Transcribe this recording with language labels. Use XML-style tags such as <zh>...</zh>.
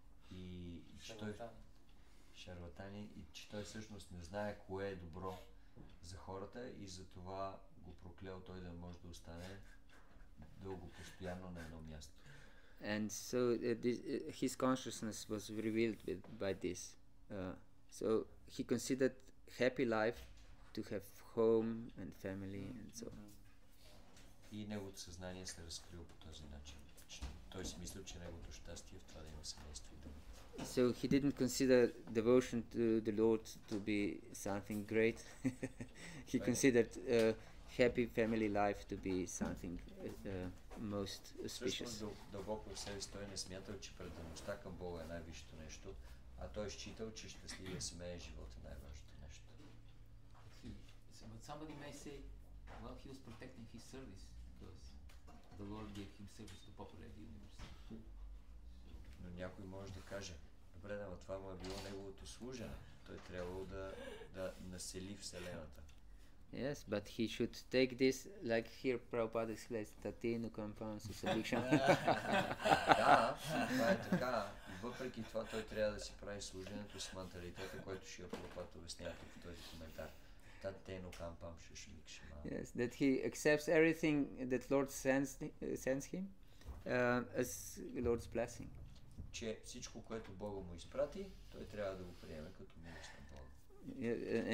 <bg>и че той шарлатани и че той всъщност не знае кое е добро за хората и затова го проклял той да може да остане дълго постоянно на едно място.</bg> <en>And so this, his consciousness was revealed with, by this. So he considered happy life to have home and family and so on.</en> <bg>И неговото съзнание се разкрило по този начин. Той си мислил, че неговото щастие в това да има семейство и дом.</bg> <en>So he didn't consider devotion to the Lord to be something great. He considered happy family life to be something most auspicious.</en> <bg>Дълбоко в себе си той не смятал, че предаността към Бога е най-висшето нещо, а той считал, че щастливия семейен живот е най-важното нещо.</bg> <en>But somebody may say, well, he was protecting his service because the Lord gave him service to populate the universe.</en> <bg>Но някой може да каже, добре, но това му е било неговото служене. Той трябвало да насели Вселената.</bg> <en>Yes, but he should take this, like here Prabhupada says,</en> <sa>tatinu kampansu sabikshan.</sa> <bg>Да, това е така. И въпреки това той трябва да си прави служенето с манталитета, който ще я Прабхупада обяснява тук в този коментар.</bg> <sa>Tatinu kampansu sabikshan.</sa> <en>Yes, that he accepts everything that Lord sends him as Lord's blessing.</en> <bg>Че всичко, което Бога му изпрати, той трябва да го приеме като милост на Бога.</bg>